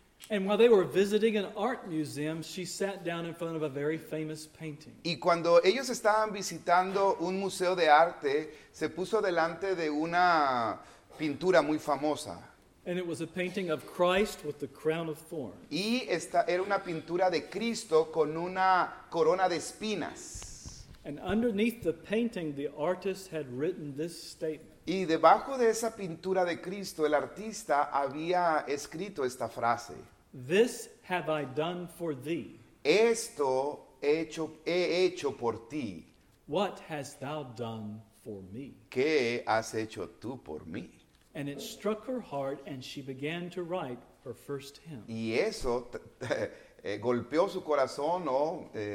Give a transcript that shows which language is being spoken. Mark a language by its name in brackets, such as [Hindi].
[English] And while they were visiting an art museum, she sat down in front of a very famous painting. [Spanish] Y cuando ellos estaban visitando un museo de arte, se puso delante de una pintura muy famosa. [English] And it was a painting of Christ with the crown of thorns. [Spanish] Y esta era una pintura de Cristo con una corona de espinas. [English] And underneath the painting, the artist had written this statement. [Spanish] Y debajo de esa pintura de Cristo, el artista había escrito esta frase. [English] This have I done for thee. [Spanish] Esto he hecho por ti. [English] What hast thou done for me? [Spanish] ¿Qué has hecho tú por mí? [English] And it struck her heart and she began to write her first hymn. [Spanish] Y eso golpeó su corazón, ¿no?